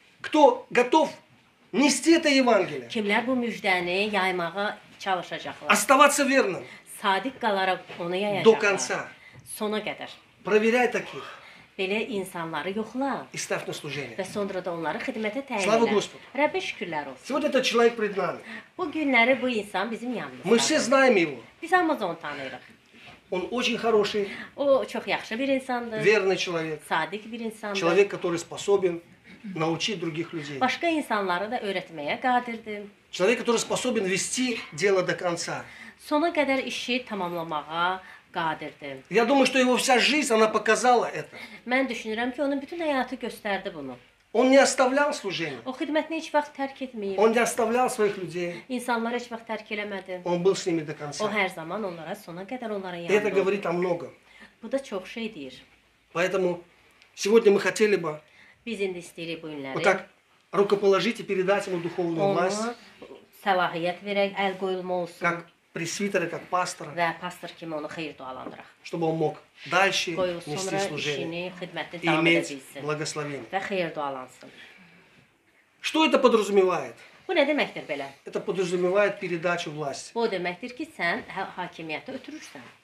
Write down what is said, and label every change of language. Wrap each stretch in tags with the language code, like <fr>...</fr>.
<ru>Кто готов нести это Евангелие.</ru> <az>Kimlər bu müjdəni yaymağa çalışacaqlar.</az> <ru>Оставаться верным.</ru> <az>Sadiq qalaraq onu yayacaqlar.</az> <ru>До конца.</ru> <az>Sona qədər.</az> <ru>Проверяй таких.</ru> <az>Belə insanları yoxla.</az> <ru>И ставь на служение.</ru> <az>Və sonra da onları xidmətə təyin elə.</az> <ru>Слава Господу.</ru> <az>Rəbbə şükürlər olsun.</az> <ru>Сегодня этот человек пред нами.</ru> <az>Bu günləri bu insan bizim yanımızda.</az> <ru>Мы все знаем его.</ru> <az>Biz hamımız onu tanıyırıq.</az> <ru>Он очень хороший.</ru> <az>О, çox yaxşı bir insandır.</az> <ru>Верный человек.</ru> <az>Sadiq bir insandır.</az> <ru>Человек, который способен научить других людей.</ru> <az>Başqa insanları da öyrətməyə qadirdir.</az> <ru>Человек, который способен вести дело до конца.</ru> <az>Sona qədər işi tamamlamağa qadirdir.</az> <ru>Я думаю, что его вся жизнь она показала это.</ru> <az>Mən düşünürəm ki, onun bütün həyatı göstərdi bunu.</az> <ru>Он не оставлял служение.</ru> <az>O xidmətini heç vaxt tərk etməyib.</az> <ru>Он не оставлял своих людей.</ru> <az>İnsanları heç vaxt tərk eləmədi.</az> <ru>Он был с ними до конца.</ru> <az>O hər zaman onlara sona qədər onlara yanında.</az> <ru>Это говорит о многом.</ru> <az>Bu da çox şey deyir.</az> <ru>Поэтому сегодня мы хотели бы.</ru> <az>Biz indi istəyirik bu günləri.</az> <ru>Вот так рукоположить и передать ему духовную власть.</ru> <az>Səlahiyyət verək, əl qoyulma olsun.</az> <ru>Как пресвитера, как пастора.</ru> <az>Və pastor kimi onu xeyir dualandıraq.</az> <ru>Чтобы он мог дальше нести служение и иметь благословение.</ru> <az>Və xeyir dualansın.</az> <ru>Что это подразумевает?</ru> <az>Bu nə deməkdir belə?</az> <ru>Это подразумевает передачу власти.</ru> <az>Bu deməkdir ki, sən hakimiyyəti ötürürsən.</az>